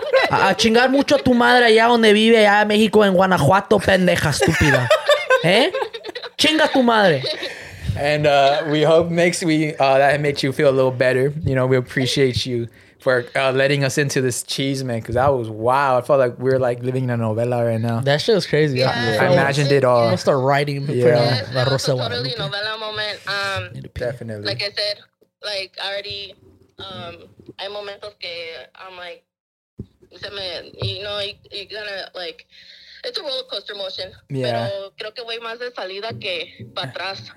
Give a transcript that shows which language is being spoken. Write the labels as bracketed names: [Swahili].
[Spanish] A chingar mucho a tu madre allá donde vive, allá en México, en Guanajuato, pendeja, estúpida. ¿Eh? Chinga tu madre. [English] And we hope that makes you feel a little better. You know, we appreciate you for letting us into this cheese, man, because that was wild. I felt like we're like living in a novela right now. That shit was crazy. Yeah. Yeah. I imagined it all. I'm gonna start writing. Yeah. That was a totally novela moment. Definitely. Like I said, like already, [Spanish] hay momentos que [English] I'm like, you know, you're gonna like, it's a roller coaster motion. Yeah. [Spanish] Pero creo que voy más de salida que para atrás.